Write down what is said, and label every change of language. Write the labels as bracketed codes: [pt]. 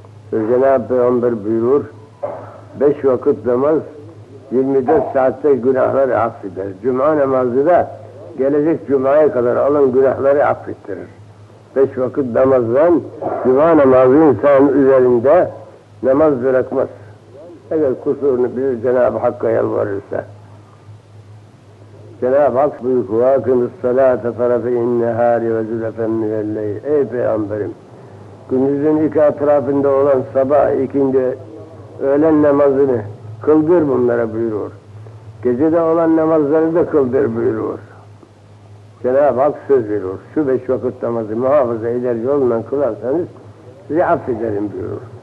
[tr] Cenab-ı Peygamber buyurur, 5 vakit namaz 24 saatte günahları affeder. Cuma namazı da gelecek cumaya kadar olan günahları affettirir. 5 vakit namazdan cuma namazı insanın üzerinde namaz bırakmaz. Eğer kusurunu bilir Cenab-ı Hakk'a yalvarırsa. Cenab-ı Hak buyur, [ar] وَاَكِمُ الصَّلَاةَ فَرَفِ النَّهَارِ وَزُلَفًا مِنَ اللَّيْلِ [tr] Ey Peygamberim! Gündüzün iki etrafında olan sabah, ikindi, öğlen namazını kıldır bunlara buyurur. Gecede olan namazları da kıldır buyurur. Cenab-ı Hak söz verir. Şu 5 vakit namazı muhafaza eder yoluna kılarsanız sizi affederim buyurur.